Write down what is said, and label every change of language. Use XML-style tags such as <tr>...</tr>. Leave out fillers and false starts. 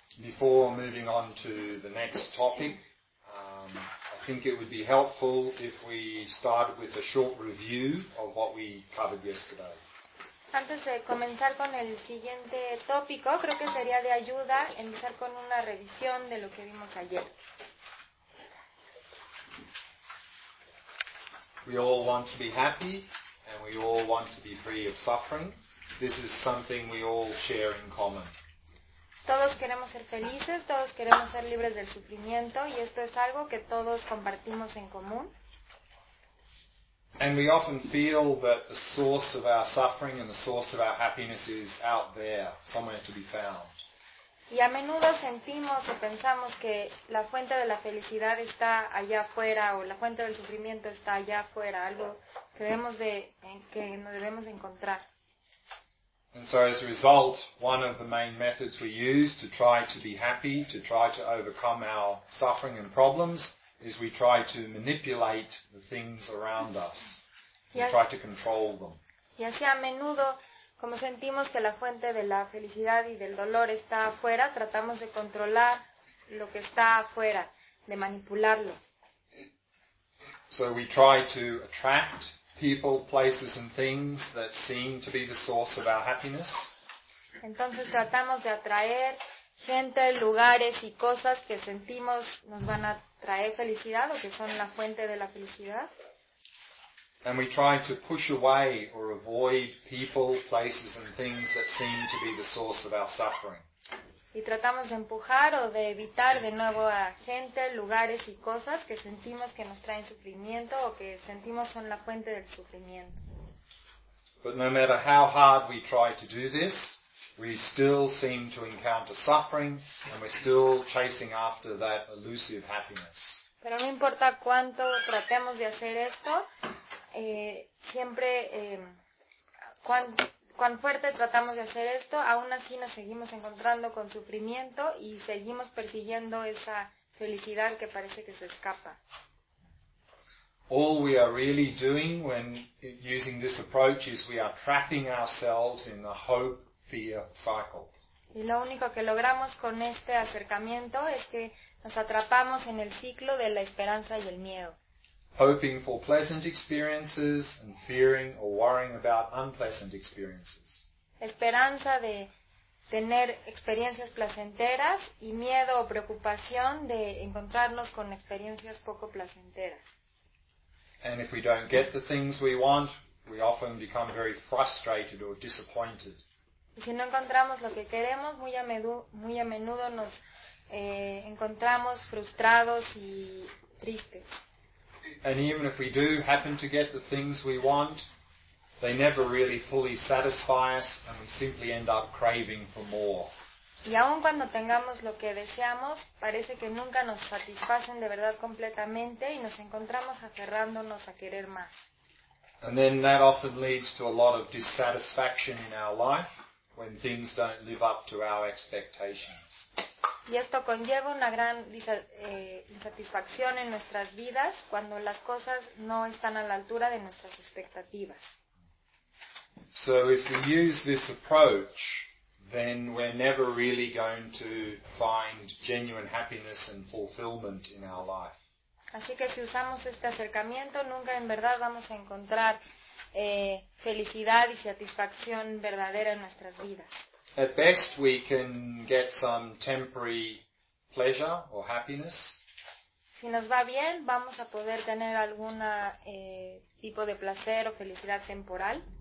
<en>Before moving on to the next topic, I think it would be helpful if we started with a short review of what we covered yesterday.</en> <es>Antes de comenzar con el siguiente tópico, creo que sería de ayuda empezar con una revisión de lo que vimos ayer.</es> <en>We all want to be happy and we all want to be free of suffering. This is something we all share in common.</en> <es>Todos queremos ser felices, todos queremos ser libres del sufrimiento y esto es algo que todos compartimos en común.</es> <en>And we often feel that the source of our suffering and the source of our happiness is out there, somewhere to be found.</en> <es>Y a menudo sentimos o pensamos que la fuente de la felicidad está allá afuera o la fuente del sufrimiento está allá afuera, algo que debemos encontrar.</es> <en>And so as a result, one of the main methods we use to try to be happy, to try to overcome our suffering and problems, is we try to manipulate the things around us. We try to control them.</en> <es>Y así a menudo, como sentimos que la fuente de la felicidad y del dolor está afuera, tratamos de controlar lo que está afuera, de manipularlo.</es> <en>So we try to attract people, places and things that seem to be the source of our happiness.</en> <es>Entonces tratamos de atraer gente, lugares y cosas que sentimos nos van a traer felicidad o que son la fuente de la felicidad.</es> <en>And we try to push away or avoid people, places and things that seem to be the source of our suffering.</en> <es>Y tratamos de empujar o de evitar de nuevo a gente, lugares y cosas que sentimos que nos traen sufrimiento o que sentimos son la fuente del sufrimiento.</es> <en>But no matter how hard we try to do this, we still seem to encounter suffering and we're still chasing after that elusive happiness.</en> <es>Pero no importa cuánto tratemos de hacer esto, siempre cuán fuerte tratamos de hacer esto, aún así nos seguimos encontrando con sufrimiento y seguimos persiguiendo esa felicidad que parece que se escapa.</es> <en>All we are really doing when using this approach is we are trapping ourselves in the hope fear cycle.</en> <es>Y lo único que logramos con este acercamiento es que nos atrapamos en el ciclo de la esperanza y el miedo.</es> <en>Hoping for pleasant experiences and fearing or worrying about unpleasant experiences.</en> <es>Esperanza de tener experiencias placenteras y miedo o preocupación de encontrarnos con experiencias poco placenteras.</es> <en>And if we don't get the things we want, we often become very frustrated or disappointed.</en> <es>Y si no encontramos lo que queremos, muy a menudo nos encontramos frustrados y tristes.</es> <en>And even if we do happen to get the things we want, they never really fully satisfy us and we simply end up craving for more.</en> <es>Y aun cuando tengamos lo que deseamos, parece que nunca nos satisfacen de verdad completamente y nos encontramos aferrándonos a querer más.</es> <en>And then that often leads to a lot of dissatisfaction in our life when things don't live up to our expectations.</en> <es>Y esto conlleva una gran insatisfacción en nuestras vidas cuando las cosas no están a la altura de nuestras expectativas.</es> <en>So if we use this approach, then we're never really going to find genuine happiness and fulfillment in our life.</en> <es>Así que si usamos este acercamiento, nunca en verdad vamos a encontrar felicidad y satisfacción verdadera en nuestras vidas.</es> <en>At best, we can get some temporary pleasure or happiness.</en> <es>Si nos va bien, vamos a poder tener alguna tipo de placer o felicidad temporal.</es>